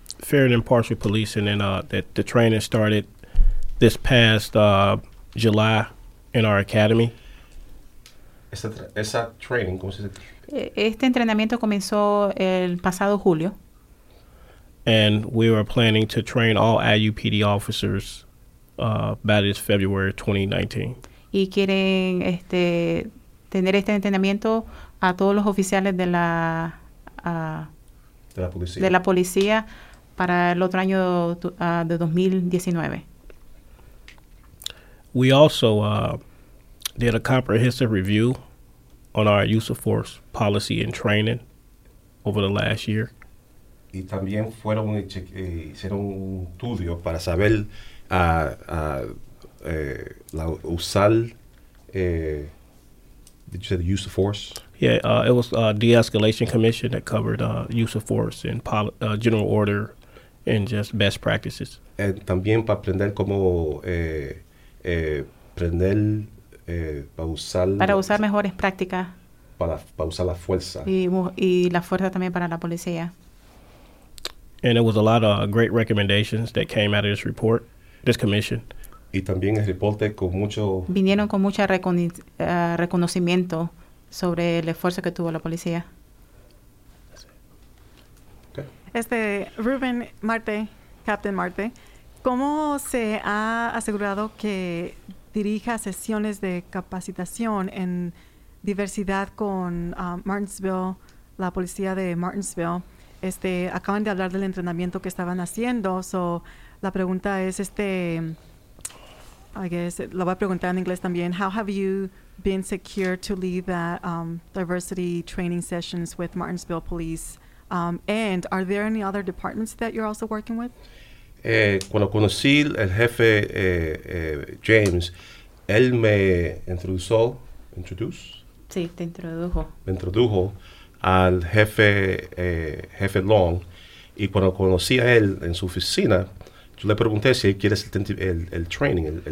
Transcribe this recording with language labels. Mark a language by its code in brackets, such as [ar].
[en] Fair and impartial policing, and that the training started this past July in our academy. [es] Esa training, ¿cómo se dice? Este entrenamiento comenzó el pasado julio. [en] And we were planning to train all IUPD officers by this February 2019. [es] Y quieren tener este entrenamiento a todos los oficiales de la policía. De la policía para el otro año de 2019. [en] We also did a comprehensive review on our use of force policy and training over the last year. [es] Y también fueron hicieron un estudio para saber [en] did you say the use of force? Yeah, it was a de-escalation commission that covered use of force and general order and just best practices. [es] And también para aprender cómo aprender para usar mejores prácticas para usar la fuerza y la fuerza también para la policía. [en] And it was a lot of great recommendations that came out of this report, this commission. [es] Y también el reporte con mucho vinieron con mucho reconocimiento sobre el esfuerzo que tuvo la policía. [en] Okay. [es] Ruben Marte, Captain Marte, ¿cómo se ha asegurado que dirija sesiones de capacitación en diversidad con Martinsville, la policía de Martinsville, acaban de hablar del entrenamiento que estaban haciendo. So, la pregunta es, [en] I guess, [es] lo voy a preguntar en inglés también. [en] How have you been secure to lead the diversity training sessions with Martinsville Police? And are there any other departments that you're also working with? [es] Cuando conocí el jefe James, él me introdujo al jefe jefe Long, y cuando conocí a él en su oficina, yo le pregunté si él quiere el training.